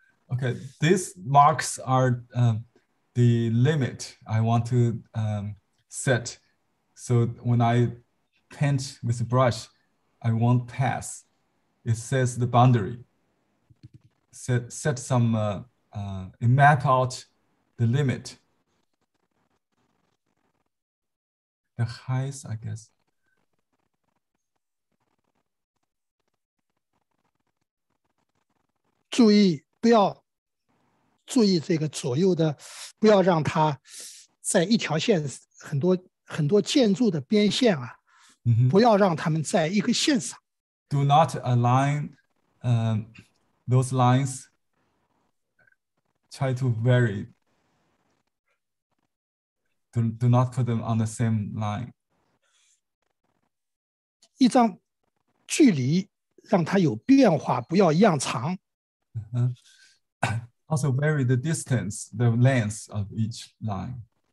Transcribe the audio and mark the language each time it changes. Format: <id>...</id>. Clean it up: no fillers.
<en>Okay, these marks are the limit I want to set. So when I paint with the brush, I won't pass. It sets the boundary. Set some, it map out the limit. The highest, I guess. Do not align those lines. Try to vary. Do not put them on the same line.</en> <zh>一张距离让它有变化，不要一样长。</zh> <en>Also vary the distance, the length of each line.</en>